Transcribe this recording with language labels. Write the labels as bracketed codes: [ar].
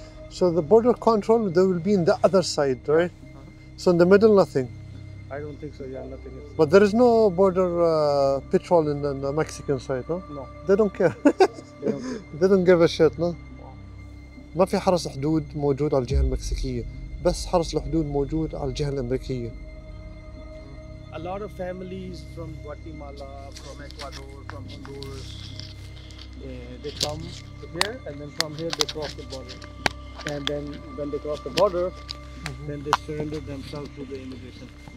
[en] So the border control, they will be in the other side, right? Uh-huh. So in the middle, nothing. I don't think so, yeah, nothing. But there is no border patrol in the Mexican side, no? No. They don't care. They don't give a shit, no? [ar] ما في حرس حدود موجود على الجهة المكسيكية بس حرس الحدود موجود على الجهة الأمريكية. [en] A lot of families from Guatemala, from Ecuador, from Honduras, they come here and then from here they cross the border. And then when they cross the border, mm-hmm. then they surrender themselves to the immigration.